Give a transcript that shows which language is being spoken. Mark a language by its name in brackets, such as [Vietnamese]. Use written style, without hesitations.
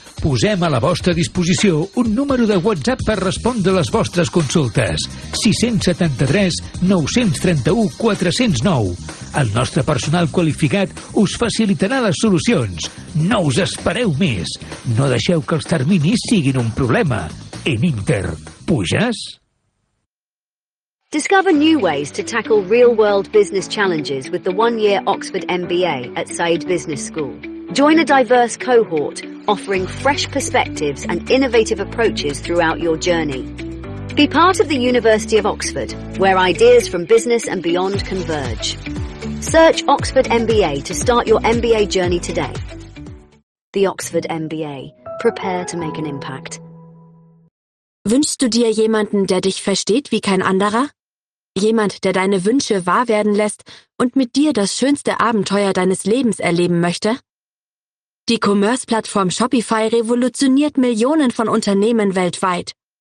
[Catalan] Posem a la vostra disposició un número de WhatsApp per respondre les vostres consultes. 673-931-409. El nostre personal qualificat us facilitarà les solucions. No us espereu més. No deixeu que els terminis siguin un problema. En Inter, puges? [English] Discover new ways to tackle real-world business challenges with the one-year Oxford MBA at Said Business School. Join a diverse cohort offering fresh perspectives and innovative approaches throughout your journey. Be part of the University of Oxford, where ideas from business and beyond converge. Search Oxford MBA to start your MBA journey today. The Oxford MBA. Prepare to make an impact. [German] Wünschst du dir jemanden, der dich versteht wie kein anderer? Jemand, der deine Wünsche wahr werden lässt und mit dir das schönste Abenteuer deines Lebens erleben möchte? Die Commerce-Plattform Shopify revolutioniert Millionen von Unternehmen weltweit.